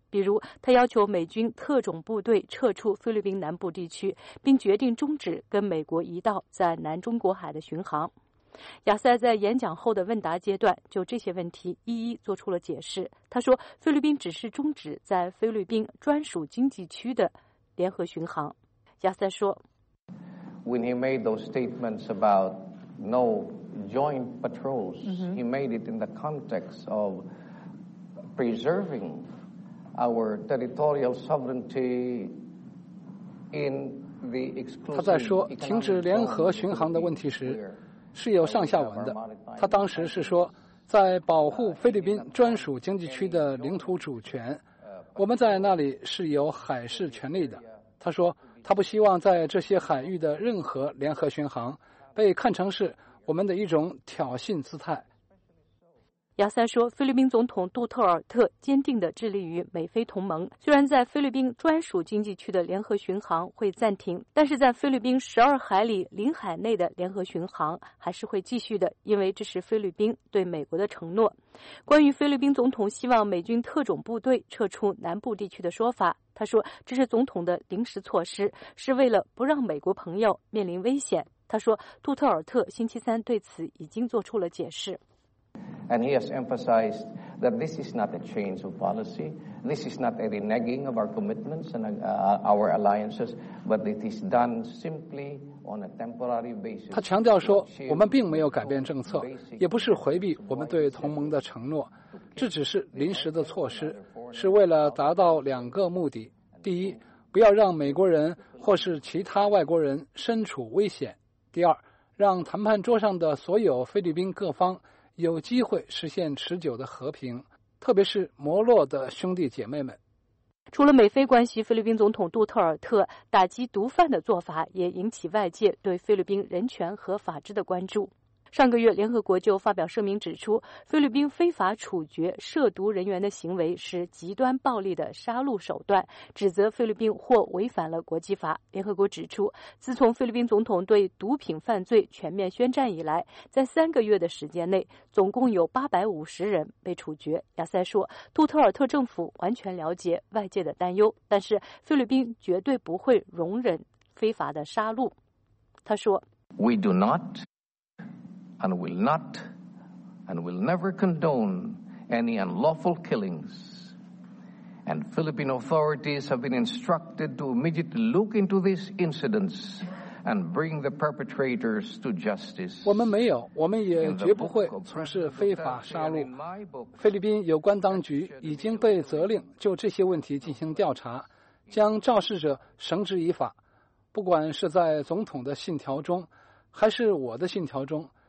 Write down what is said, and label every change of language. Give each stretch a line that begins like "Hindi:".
Chinese: 比如他要求美军特种部队撤出菲律宾南部地区，并决定终止跟美国一道在南中国海的巡航。亚塞在演讲后的问答阶段就这些问题一一做出了解释。他说，菲律宾只是终止在菲律宾专属经济区的联合巡航。亚塞说
English: When he made those statements about no joint patrols, he made it in the context of preserving our territorial sovereignty in the exclusive.
Chinese: 他在说停止联合巡航的问题时是有上下文的，他当时是说，在保护菲律宾专属经济区的领土主权，我们在那里是有海事权利的。他说，他不希望在这些海域的任何联合巡航被看成是我们的一种挑衅姿态。亚三说，菲律宾总统杜特尔特坚定地致力于美菲同盟。虽然在菲律宾专属经济区的联合巡航会暂停，但是在菲律宾十二海里领海内的联合巡航还是会继续的，因为这是菲律宾对美国的承诺。关于菲律宾总统希望美军特种部队撤出南部地区的说法，他说这是总统的临时措施，是为了不让美国朋友面临危险。他说杜特尔特星期三对此已经做出了解释。
English: And he has emphasized that this is not a change of policy. This is not a reneging of our commitments and our alliances, but it is done simply on a temporary basis.
Chinese: 他强调说，我们并没有改变政策，也不是回避我们对同盟的承诺，这只是临时的措施，是为了达到两个目的：第一，不要让美国人或是其他外国人身处危险；第二，让谈判桌上的所有菲律宾各方有机会实现持久的和平，特别是摩洛的兄弟姐妹们。除了美菲关系，菲律宾总统杜特尔特打击毒贩的做法也引起外界对菲律宾人权和法治的关注。上个月，联合国就发表声明指出，菲律宾非法处决涉毒人员的行为是极端暴力的杀戮手段，指责菲律宾或违反了国际法。联合国指出，自从菲律宾总统对毒品犯罪全面宣战以来，在三个月的时间内，总共有850人被处决。亚塞说，杜特尔特政府完全了解外界的担忧，但是菲律宾绝对不会容忍非法的杀戮。他说
English: We do notAnd will not, and will never condone any unlawful killings. And Philippine authorities have been instructed to immediately look into these incidents and bring the perpetrators to justice.
Chinese: 我们没有，我们也绝不会从事非法杀戮。菲律宾有关当局已经被责令就这些问题进行调查，将肇事者绳之以法。不管是在总统的信条中，还是我的信条中。